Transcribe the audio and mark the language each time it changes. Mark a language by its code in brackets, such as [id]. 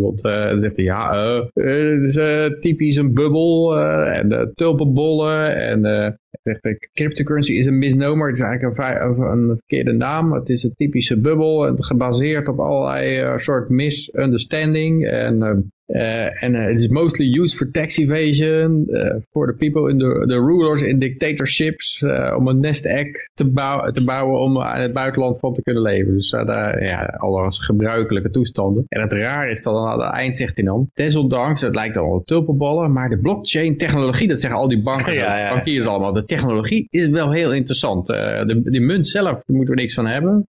[nl] Want dan zegt hij, ja, het is typisch een bubbel en tulpenbollen en... zegt de cryptocurrency is een misnomer. Het is eigenlijk een verkeerde naam. Het is een typische bubbel. Gebaseerd op allerlei soort misunderstanding. En het is [en] mostly used for tax evasion. For the people in the rulers in dictatorships. [nl] Om een nest egg te bouwen om aan het buitenland van te kunnen leven. Dus daar, ja, alle gebruikelijke toestanden. En het raar is dat aan het eind zegt hij dan. Desondanks, het lijkt al tulpenballen. Maar de blockchain technologie, dat zeggen al die banken. Ja, ja, bankiers allemaal. De technologie is wel heel interessant. De munt zelf, daar moeten we niks van hebben.